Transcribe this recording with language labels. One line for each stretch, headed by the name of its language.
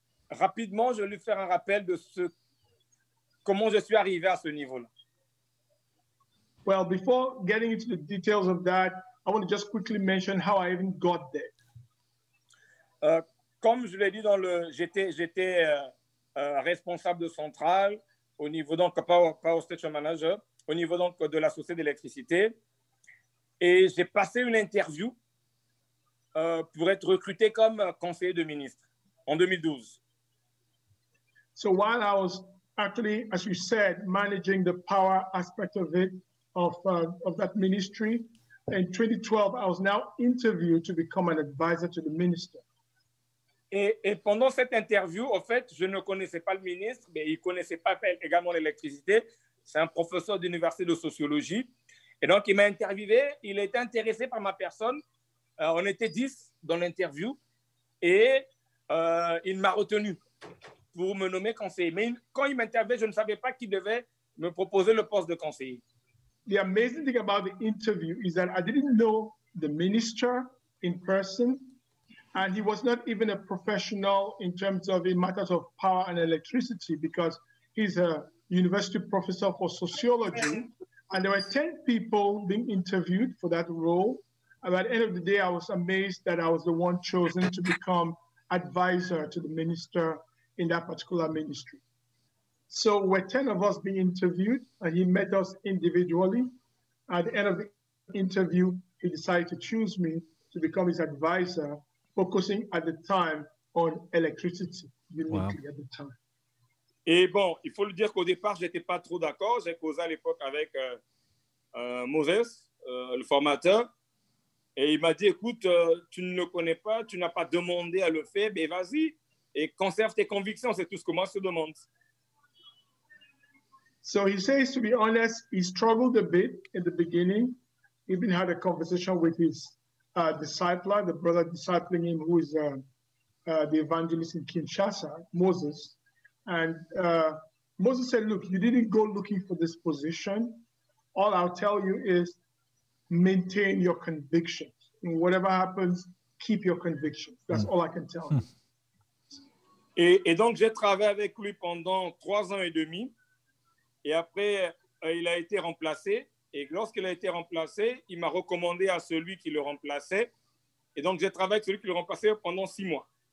French: Rapidement, je vais lui faire un rappel de ce comment je suis arrivé à ce niveau-là.
English: Well, before getting into the details of that, I want to just quickly mention how I even got there.
French: Comme je l'ai dit dans le, j'étais responsable de centrale au niveau donc
English: power station manager
French: au niveau donc de la société d'électricité, et j'ai passé une interview pour être recruté comme conseiller de ministre en 2012.
English: So while I was actually, as you said, managing the power aspect of it. Of that ministry. In 2012, I was now interviewed to become an advisor to the minister.
French: Et pendant cette interview, en fait, je ne connaissais pas le ministre, mais il connaissait pas également l'électricité. C'est un professeur d'université de sociologie. Et donc, il m'a interviewé. Il était intéressé par ma personne. On était 10 dans l'interview. Et il m'a retenu pour me nommer conseiller. Mais quand il m'interviewait, je ne savais pas qu'il devait me proposer le poste de conseiller.
English: The amazing thing about the interview is that I didn't know the minister in person, and he was not even a professional in terms of in matters of power and electricity because he's a university professor for sociology. And there were 10 people being interviewed for that role. And at the end of the day, I was amazed that I was the one chosen to become advisor to the minister in that particular ministry. So we're 10 of us being interviewed, and he met us individually. At the end of the interview, he decided to choose me to become his advisor, focusing at the time on electricity, uniquely at the time.
French: Et bon, il faut le dire qu'au départ, j'étais pas trop d'accord. J'ai causé à l'époque avec Moses, le formateur, et il m'a dit, écoute, tu ne le connais pas, tu n'as pas demandé à le faire, mais vas-y, et conserve tes convictions, c'est tout ce que moi je demande.
English: So he says, to be honest, he struggled a bit in the beginning. He even had a conversation with his discipler, the brother discipling him, who is the evangelist in Kinshasa, Moses. And Moses said, look, you didn't go looking for this position. All I'll tell you is maintain your convictions. And whatever happens, keep your convictions. That's all I can tell you.
French: Et donc, j'ai travaillé avec lui pendant 3 ans et demi. Et après, il a été remplacé. Et lorsqu'il a été remplacé, il m'a recommandé à celui qui le remplaçait. Et donc, j'ai travaillé avec celui qui le remplaçait pendant 6 mois.